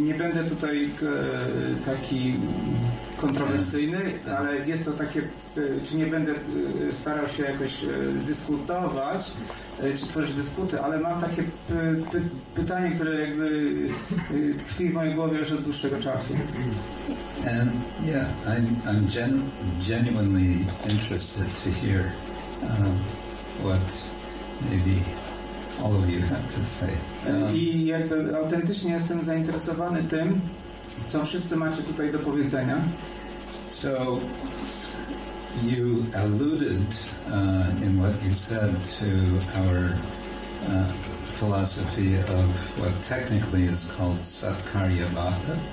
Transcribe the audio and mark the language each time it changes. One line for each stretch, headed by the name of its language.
Polish: Nie będę tutaj taki kontrowersyjny, ale jest to takie, czy nie będę starał się jakoś dyskutować, czy tworzyć dyskuty, ale mam takie pytanie, które jakby tkwi w mojej głowie już od dłuższego czasu.
English: And yeah, I'm genuinely interested to hear what maybe all of you have to say.
Polish: I jakby autentycznie jestem zainteresowany tym, co wszyscy macie tutaj do powiedzenia.
English: So you alluded in what you said to our philosophy of what technically is called satkarya bhakti.